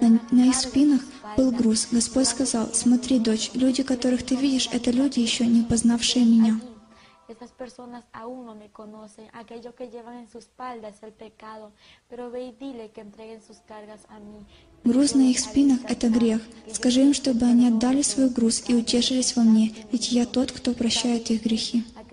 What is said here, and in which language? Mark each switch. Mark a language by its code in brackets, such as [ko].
[ru] На их спинах был груз. Господь сказал, «Смотри, дочь, люди, которых ты видишь, это люди, еще не познавшие меня». [es] Estas personas aún no me conocen, aquello que llevan en sus espaldas el pecado, pero ve y dile que entreguen sus cargas a mí. [ru] Груз на их спинах — это грех. Скажи им, чтобы они отдали свой груз и утешились во мне, ведь я тот, кто прощает их грехи.